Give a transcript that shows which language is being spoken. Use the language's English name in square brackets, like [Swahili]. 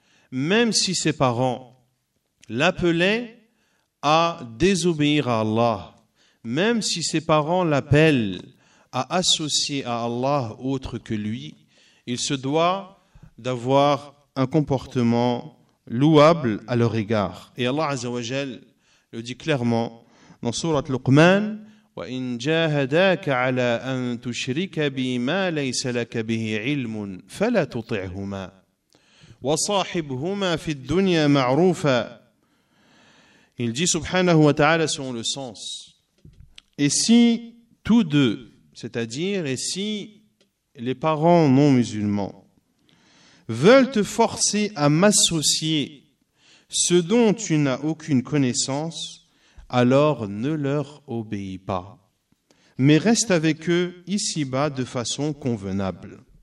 [French] Même si ses parents l'appelaient à désobéir à Allah, même si ses parents l'appellent à associer à Allah autre que lui, il se doit d'avoir un comportement louable à leur égard. Et Allah Azza wa Jal le dit clairement, dans sourate Luqman, [Arabic] وَإِن جَاهَدَاكَ عَلَى أَن تُشْرِكَ بِي مَا لَيْسَ لَكَ بِهِ عِلْمٌ فَلَا تُطِعْهُمَا وَصَاحِبْهُمَا فِي الدُّنْيَا مَعْرُوفًا. [French] Il dit subhanahu wa ta'ala selon le sens, et si tous deux, c'est-à-dire, et si les parents non musulmans veulent te forcer à m'associer ce dont tu n'as aucune connaissance, alors ne leur obéis pas, mais reste avec eux ici-bas de façon convenable.